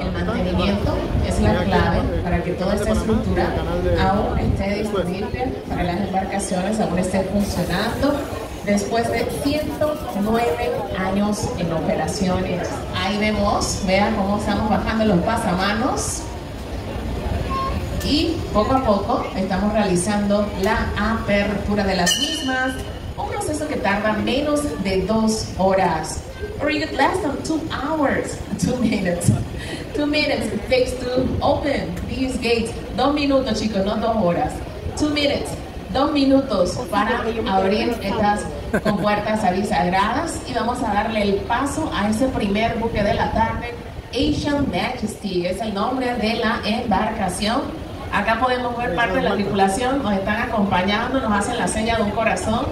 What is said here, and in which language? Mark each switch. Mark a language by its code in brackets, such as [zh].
[es] El mantenimiento es la clave para que toda esta estructura aún esté disponible para las embarcaciones, aún esté funcionando después de 109 años en operaciones. Ahí vemos, vean cómo estamos bajando los pasamanos y poco a poco estamos realizando la apertura de las mismas, un proceso que tarda menos de 2 horas. [en] Or you could last on 2 hours, 2 minutes, 2 minutes it takes to open these gates. [es] 2 minutos, chicos, no 2 horas. [en] 2 minutes, [es] 2 minutos para abrir estas compuertas avisagradas y vamos a darle el paso a ese primer buque de la tarde. Asian Majesty es el nombre de la embarcación. Acá podemos ver parte de la tripulación, nos están acompañando, nos hacen la seña de un corazón.